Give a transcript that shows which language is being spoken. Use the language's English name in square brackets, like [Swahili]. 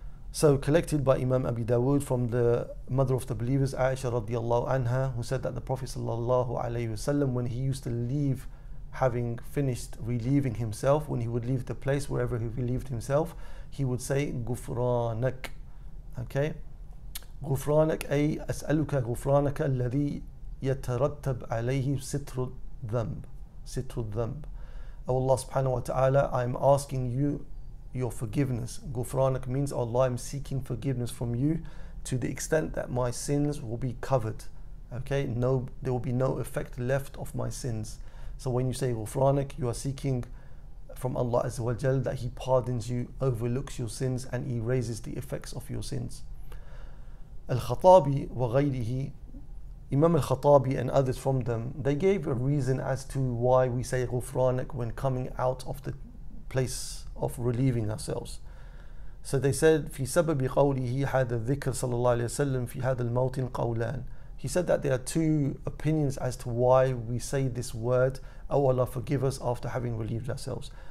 [English] So collected by Imam Abi Dawood from the mother of the believers Aisha رضي الله عنها, who said that the Prophet صلى الله عليه وسلم, when he used to leave, having finished relieving himself, when he would leave the place wherever he relieved himself, he would say غفرانك. Okay, [Arabic] غفرانك أي أسألك غفرانك الذي يترتب عليه ستر الذنب. ستر الذنب. [English] Oh Allah subhanahu wa ta'ala, I'm asking you your forgiveness. Gufranak means, Allah, I'm seeking forgiveness from you to the extent that my sins will be covered. Okay, no, there will be no effect left of my sins. So when you say Gufranak, you are seeking from Allah Azza wa Jal that He pardons you, overlooks your sins, and He erases the effects of your sins. Al-Khattabi wa ghayrihi, Imam Al-Khattabi and others from them, they gave a reason as to why we say Gufranak when coming out of the place of relieving ourselves. So they said, [Arabic] في سبب قوله هذا الذكر صلى الله عليه وسلم في هذا الموطن قولان. [English] He said that there are two opinions as to why we say this word, oh Allah forgive us after having relieved ourselves.